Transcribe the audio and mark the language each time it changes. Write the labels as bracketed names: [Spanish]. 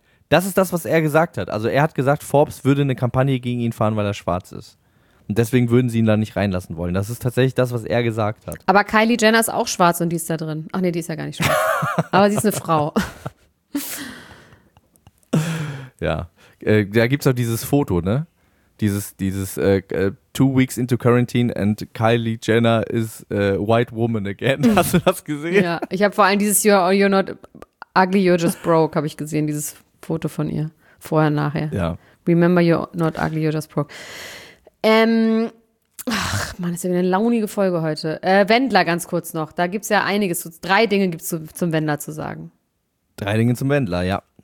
[German] Das ist das, was er gesagt hat. Also er hat gesagt, Forbes würde eine Kampagne gegen ihn fahren, weil er schwarz ist. Und deswegen würden sie ihn da nicht reinlassen wollen. Das ist tatsächlich das, was er gesagt hat. Aber Kylie Jenner ist auch schwarz und die ist da drin. Ach nee, die ist ja gar nicht schwarz. Aber sie ist eine Frau. Ja, da gibt es auch dieses Foto, ne? Dieses [English] 2 weeks into quarantine and Kylie Jenner is a white woman again. [German] Hast du das gesehen? Ja, ich habe vor allem dieses [English] you're not ugly, you're just broke, [German] habe ich gesehen, dieses Foto von ihr. Vorher, nachher. Ja. [English] Remember you're not ugly, you're just broke. [German] Ach man, ist ja wieder eine launige Folge heute. Wendler ganz kurz noch. Da gibt es ja einiges. Drei Dinge gibt es zum Wendler zu sagen. Drei Dinge zum Wendler, ja.